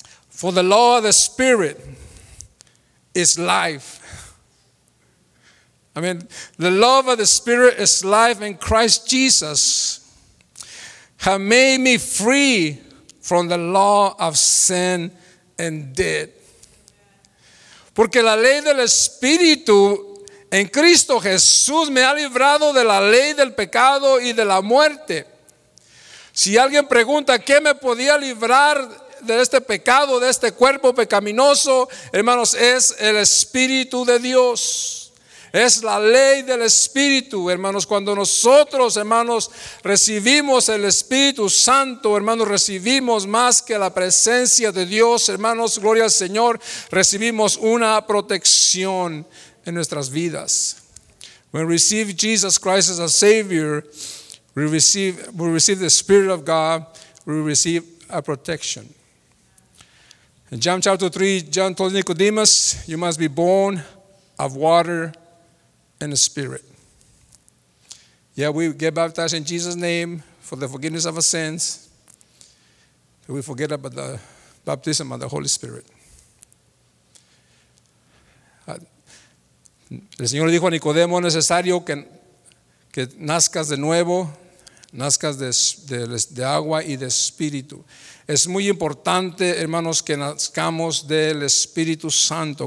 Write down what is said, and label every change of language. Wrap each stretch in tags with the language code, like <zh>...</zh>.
<en>For the law of the Spirit is life. I mean, the law of the Spirit is life in Christ Jesus, have made me free from the law of sin and death.</en> <es>Porque la ley del Espíritu en Cristo Jesús me ha librado de la ley del pecado y de la muerte. Si alguien pregunta qué me podía librar de este pecado, de este cuerpo pecaminoso, hermanos, es el Espíritu de Dios. Es la ley del Espíritu, hermanos. Cuando nosotros, hermanos, recibimos el Espíritu Santo, hermanos, recibimos más que la presencia de Dios, hermanos, gloria al Señor, recibimos una protección en nuestras vidas.</es> <en>When we receive Jesus Christ as a Savior, we receive the Spirit of God, we receive a protection. In John chapter 3, John told Nicodemus, you must be born of water and the Spirit. Yeah, we get baptized in Jesus' name for the forgiveness of our sins. We forget about the baptism of the Holy Spirit.</en> <es>El Señor dijo a Nicodemo, necesario que nazcas de nuevo, nazcas de agua y de Espíritu. Es muy importante, hermanos, que nazcamos del Espíritu Santo.</es>